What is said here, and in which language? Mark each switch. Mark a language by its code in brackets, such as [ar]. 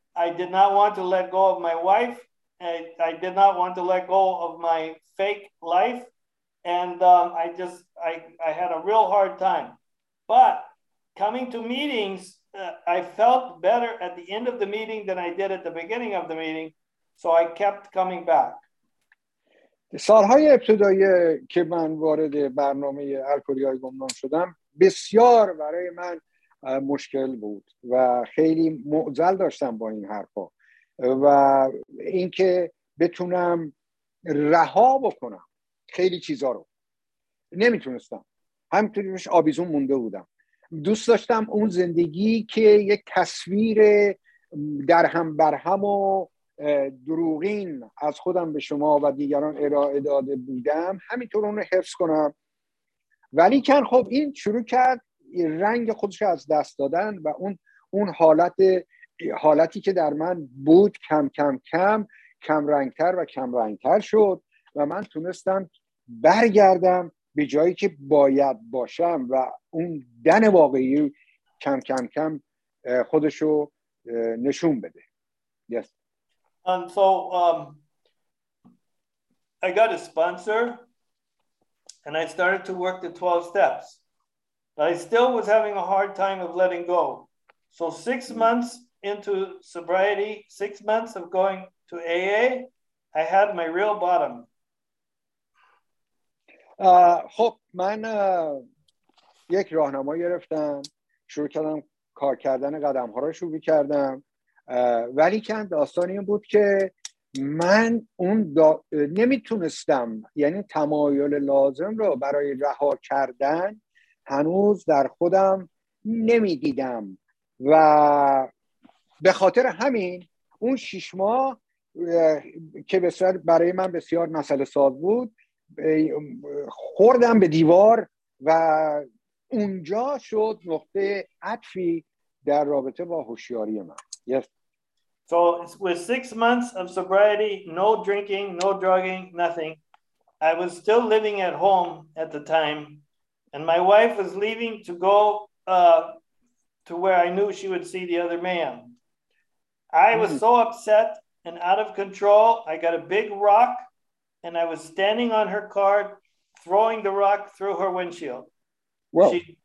[en] I did not want to let go of my wife. I did not want to let go of my fake life. And I had a real hard time. But coming to meetings, I felt better at the end of the meeting than I did at the beginning of the meeting. So I kept coming back. [fa] سالهای ابتدایی که من وارد برنامه الکلی‌های گمنام شدم بسیار برای من مشکل بود و خیلی معضل داشتم با این حرفا و اینکه بتونم رها بکنم خیلی چیزا رو نمیتونستم. همینطوری روش آویزون مونده بودم. دوست داشتم اون زندگی که یک تصویر درهم برهم و دروغین از خودم به شما و دیگران ارائه داده بودم همینطور اون رو حفظ کنم، ولی کن خب این شروع کرد رنگ خودش رو از دست دادن و اون حالتی که در من بود کم کم کم کم رنگتر و کم رنگتر شد و من تونستم برگردم به جایی که باید باشم و اون دن واقعی کم کم کم خودش رو نشون بده. [en] Yes. And so I got a sponsor and I started to work the 12 steps, but I still was having a hard time of letting go. So 6 months into sobriety, 6 months of going to AA, I had my real bottom. [fa] خب من یک راهنما گرفتم، شروع کردم کار کردن قدم ها رو شروع کردم، ولی که داستان این بود که من اون نمیتونستم، یعنی تمایل لازم رو برای رها کردن هنوز در خودم نمیدیدم و به خاطر همین اون 6 ماه که بسیار برای من بسیار مسئله ساز بود خوردم به دیوار و اونجا شد نقطه عطفی در رابطه با هوشیاری من. [en] Yes. So with 6 months of sobriety, no drinking, no drugging, nothing, I was still living at home at the time. And my wife was leaving to go to where I knew she would see the other man. I was so upset and out of control. I got a big rock and I was standing on her car, throwing the rock through her windshield. Whoa.